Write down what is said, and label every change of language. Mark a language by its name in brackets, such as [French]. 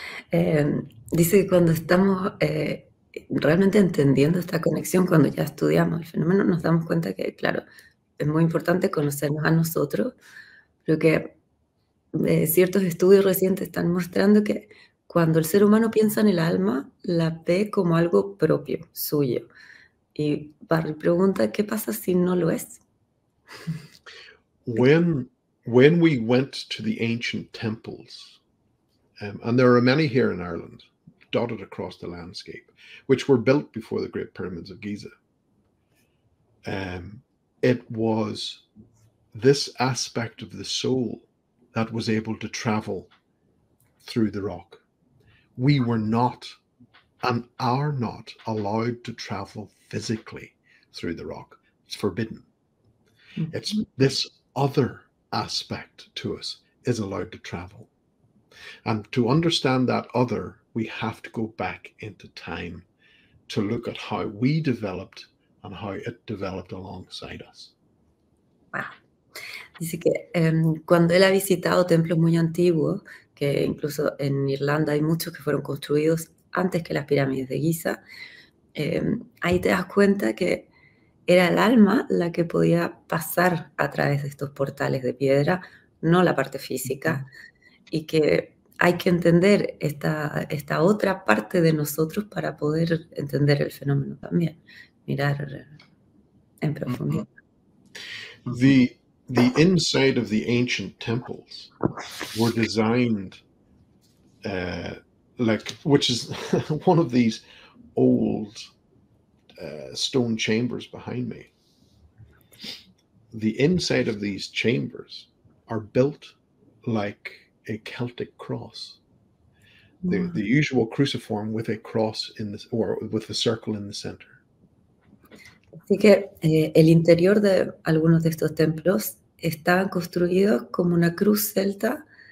[Spanish] Dice que cuando estamos realmente entendiendo esta conexión, cuando ya estudiamos el fenómeno, nos damos cuenta que, claro, es muy importante conocernos a nosotros, pero que ciertos estudios recientes están mostrando que cuando el ser humano piensa en el alma, la ve como algo propio, suyo. Y Barry pregunta, ¿qué pasa si no lo es? [English] When we went to the ancient temples, and there are many here in Ireland, dotted across the landscape, which were built before the Great Pyramids of Giza, it was this aspect of the soul that was able to travel through the rock. We were not and are not allowed to travel physically through the rock. It's forbidden. It's this other aspect to us is allowed to travel. And to understand that other, we have to go back into time to look at how we developed and how it developed alongside us. [Spanish] Dice que cuando él ha visitado templos muy antiguos, que incluso en Irlanda hay muchos que fueron construidos antes que las pirámides de Giza, ahí te das cuenta que era el alma la que podía pasar a través de estos portales de piedra, no la parte física, y que hay que entender esta otra parte de nosotros para poder entender el fenómeno también, mirar en profundidad. [English] The inside of the ancient temples were designed like, which is one of these old stone chambers behind me. The inside of these chambers are built like a Celtic cross. The usual cruciform with a cross in the, or with a circle in the center. [Spanish] Así que el interior de algunos de estos templos estaban construidos como una cruz celta.